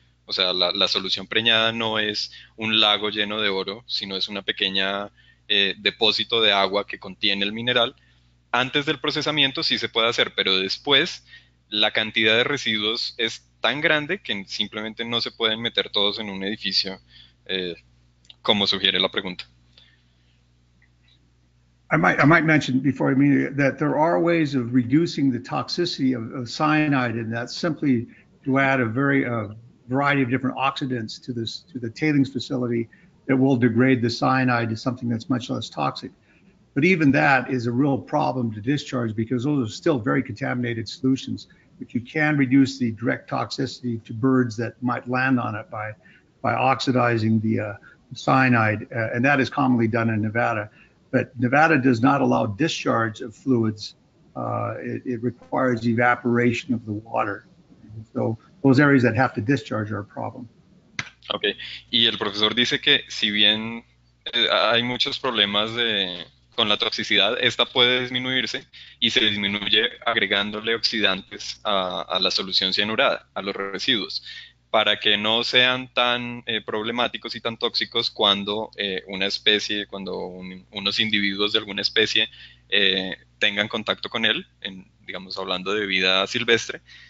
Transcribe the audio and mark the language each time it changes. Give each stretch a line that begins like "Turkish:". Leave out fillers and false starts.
Spanish: O sea, la solución preñada no es un lago lleno de oro, sino es una pequeña depósito de agua que contiene el mineral. Antes del procesamiento sí se puede hacer, pero después la cantidad de residuos es tan grande que simplemente no se pueden meter todos en un edificio, como sugiere la pregunta.
English: I might mention before I mean that there are ways of reducing the toxicity of cyanide, and that's simply to add a very variety of different oxidants to this to the tailings facility that will degrade the cyanide to something that's much less toxic. But even that is a real problem to discharge because those are still very contaminated solutions. But you can reduce the direct toxicity to birds that might land on it by oxidizing the cyanide, and that is commonly done in Nevada. But Nevada does not allow discharge of fluids. It requires evaporation of the water. And so those areas that have to discharge are a problem.
Spanish: Ok, y el profesor dice que si bien hay muchos problemas con la toxicidad, esta puede disminuirse y se disminuye agregándole oxidantes a la solución cianurada, a los residuos, para que no sean tan problemáticos y tan tóxicos cuando una especie, cuando unos individuos de alguna especie tengan contacto con él, digamos hablando de vida silvestre.